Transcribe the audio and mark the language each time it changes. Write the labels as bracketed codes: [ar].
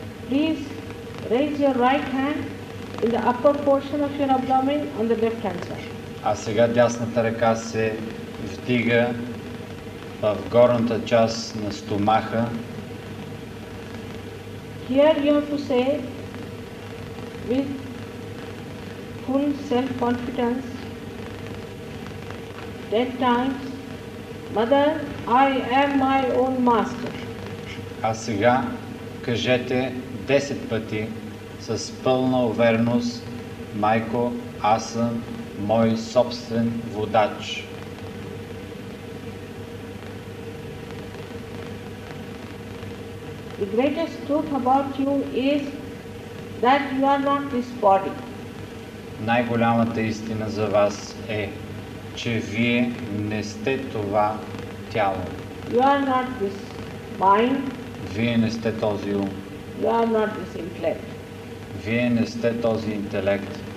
[en] Please raise your right hand in the upper portion of your abdomen on the left hand side. [bg] А сега дясната ръка се вдига в горната част на стомаха. [en] Here you have to say with full self-confidence 10 times, Mother, I am my own master. [bg] А сега кажете 10 пъти с пълна увереност: Майко, аз съм мой собствен водач. [en] The greatest truth about you is that you are not this body. [bg] Най-голямата истина за вас е, че вие не сте това тяло. [en] You are not this mind. [bg] Вие не сте този ум. [en] You are not this intellect. [bg] Вие не сте този интелект.